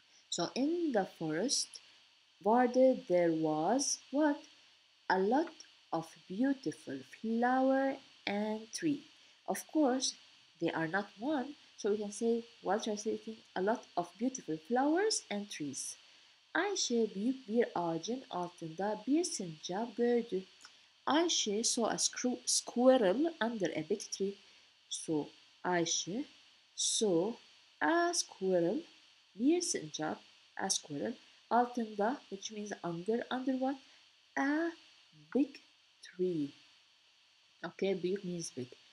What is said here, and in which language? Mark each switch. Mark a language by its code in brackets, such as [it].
[en] So, in the forest, [tr] vardı, [en] there was, what? A lot of beautiful flower and tree. Of course, they are not one, so we can say, while translating, a lot of beautiful flowers and trees. [tr] Ayşe büyük bir ağacın altında bir sincap gördü. [en] Ayşe saw a squirrel under a big tree. So, Ayşe saw a squirrel, [tr] bir sincap, [en] a squirrel, [tr] altında, [en] which means under what? A big tree. Okay, [tr] büyük [en] means big.